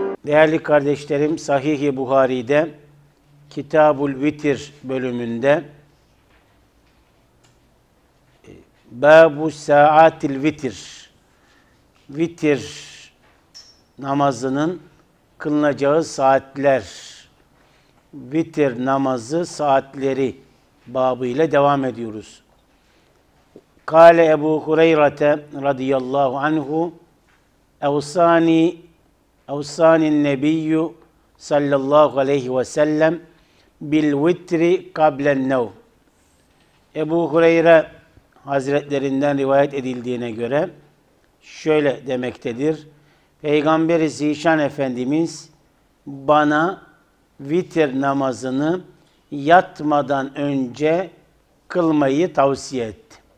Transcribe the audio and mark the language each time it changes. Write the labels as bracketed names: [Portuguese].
[Turkish] Değerli kardeşlerim, Sahih-i Buhari'de Kitab-ül Vitir bölümünde Bâb-u Sa'atil Vitir, vitir namazının kılınacağı saatler, vitir namazı saatleri babıyla devam ediyoruz. [Arabic] Kâle Ebu Hureyre'te radıyallahu anhu evsani أوصاني النبي صلى الله عليه وسلم بالوتر قبل النوم. [Turkish] Ebu Hureyre Hazretlerinden rivayet edildiğine göre şöyle demektedir: Peygamber-i Zişan Efendimiz bana vitir namazını yatmadan önce kılmayı tavsiye etti.